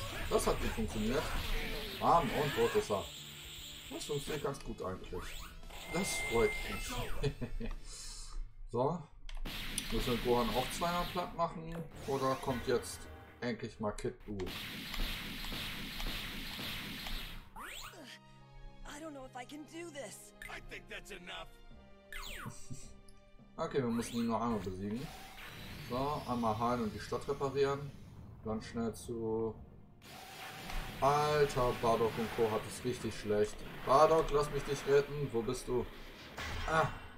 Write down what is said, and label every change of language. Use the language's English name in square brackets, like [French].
[German] Das hat nicht funktioniert. Arm und rot ist er. Das funktioniert ganz gut eigentlich. Das freut mich. So. Müssen wir Gohan auch zweimal platt machen? Oder kommt jetzt endlich mal Kid Buu? [English] I don't know if I can do this. I think that's enough. [German] Okay, wir müssen ihn nur einmal besiegen. So, einmal heilen und die Stadt reparieren. Dann schnell zu. Alter, Bardock und Co. hat es richtig schlecht. Bardock, lass mich dich retten. Wo bist du? Ah.